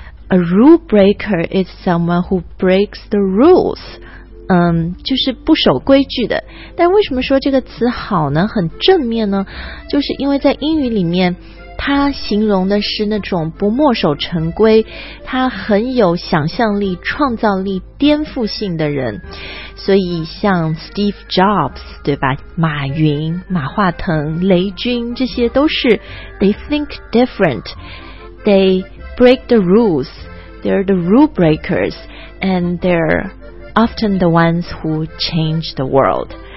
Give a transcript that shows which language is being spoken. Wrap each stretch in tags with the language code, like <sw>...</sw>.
<en>A rule breaker is someone who breaks the rules，</en> <zh>就是不守规矩的。但为什么说这个词好呢？很正面呢？就是因为在英语里面，它形容的是那种不墨守成规，它很有想象力、创造力、颠覆性的人。所以像 Steve Jobs， 对吧？</zh> <en>马云、马化腾、雷军，</en> <zh>这些都是</zh> <en>they think different， they break the rules， they're the rule breakers， and they're often the ones who change the world。</en>